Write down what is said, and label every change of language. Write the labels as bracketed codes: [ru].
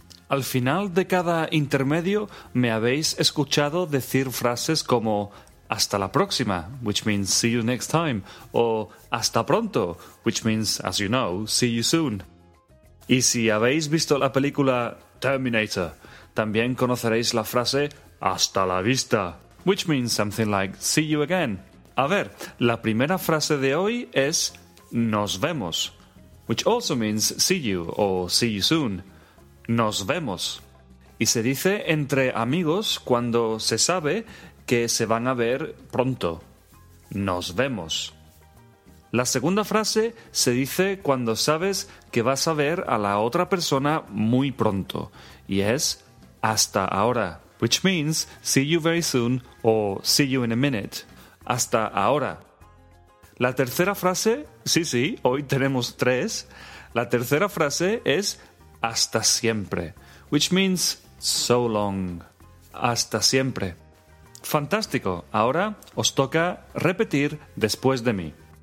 [es] Al final de cada intermedio me habéis escuchado decir frases como hasta la próxima, [en] which means see you next time, [es] o hasta pronto, [en] which means, as you know, see you soon. [es] Y si habéis visto la película Terminator, también conoceréis la frase hasta la vista, [en] which means something like see you again. [es] A ver, la primera frase de hoy es nos vemos, [en] which also means see you [es] o [en] see you soon. [es] Nos vemos. Y se dice entre amigos cuando se sabe que se van a ver pronto. Nos vemos. La segunda frase se dice cuando sabes que vas a ver a la otra persona muy pronto. Y es hasta ahora, [en] which means see you very soon [es] o [en] see you in a minute. [es] Hasta ahora. La tercera frase, sí, sí, hoy tenemos tres. La tercera frase es hasta siempre, [en] which means so long. [es] Hasta siempre. Fantástico. Ahora os toca repetir después de mí.